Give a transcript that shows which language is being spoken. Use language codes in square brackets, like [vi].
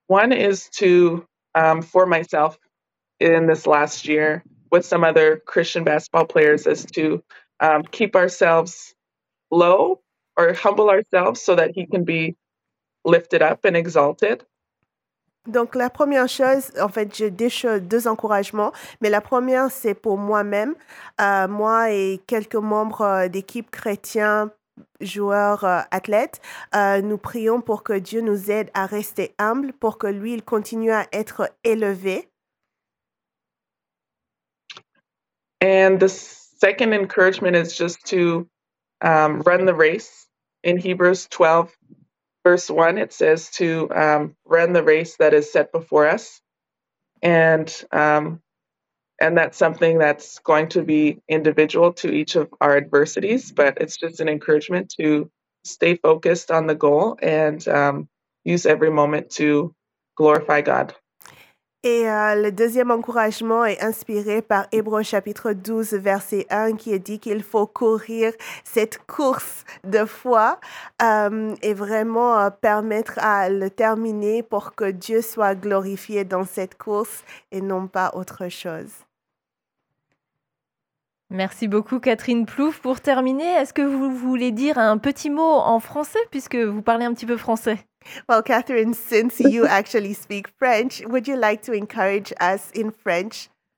[en] One is to for myself in this last year with some other Christian basketball players is to keep ourselves low or humble ourselves so that he can be lifted up and exalted. [fr] Donc la première chose, en fait, j'ai deux encouragements, mais la première, c'est pour moi-même, moi et quelques membres d'équipe chrétiens, joueurs, athlètes, nous prions pour que Dieu nous aide à rester humbles, pour que lui, il continue à être élevé. [en] And the second encouragement is just to run the race. In Hebrews 12, verse 1, it says to run the race that is set before us. And that's something that's going to be individual to each of our adversities. But it's just an encouragement to stay focused on the goal and use every moment to glorify God. [fr] Et le deuxième encouragement est inspiré par Hébreux chapitre 12, verset 1, qui est dit qu'il faut courir cette course de foi et vraiment permettre à le terminer pour que Dieu soit glorifié dans cette course et non pas autre chose. Merci beaucoup, Catherine Plouffe. Pour terminer, est-ce que vous voulez dire un petit mot en français, puisque vous parlez un petit peu français? [en] Well, Catherine, since you actually speak French, would you like to encourage us in French?